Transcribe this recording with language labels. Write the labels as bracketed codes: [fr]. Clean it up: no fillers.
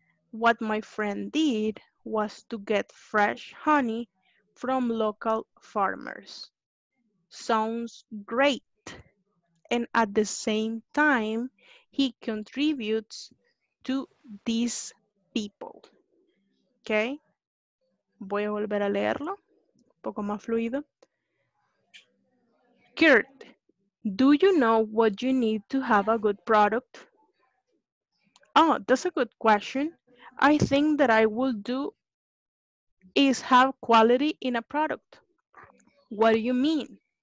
[en] What my friend did was to get fresh honey from local farmers. Sounds great. And at the same time, he contributes to these people. Okay? [es] Voy a volver a leerlo, un poco más fluido. [en] Kurt, do you know what you need to have a good product? Oh, that's a good question. I think that I will do is have quality in a product. What do you mean?